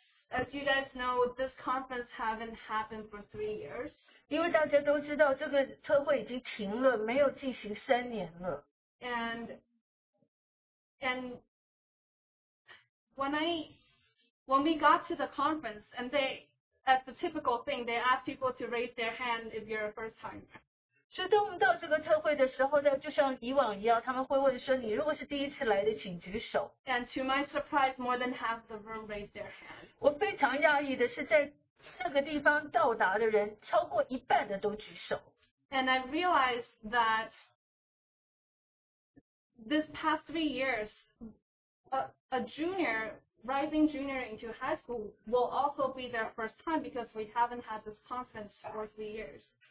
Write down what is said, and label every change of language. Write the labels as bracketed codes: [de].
[en] As you guys know, this conference hasn't happened for 3 years. [zh] 因为大家都知道,这个特会已经停了,没有进行3年了。 [en] And when we got to the conference, and they, as the typical thing, they asked people to raise their hand if you're a first timer. [zh] 所以当我们到这个特会的时候呢, 就像以往一样, 他们会问说, 你如果是第一次来的, 请举手。 [en] And to my surprise, more than half the room raised their hand. [zh] 我非常讶异的是, 在这个地方到达的人, 超过一半的都举手。 [en] And I realized that this past 3 years, a rising junior into high school will also be their first time because we haven't had this conference for 3 years.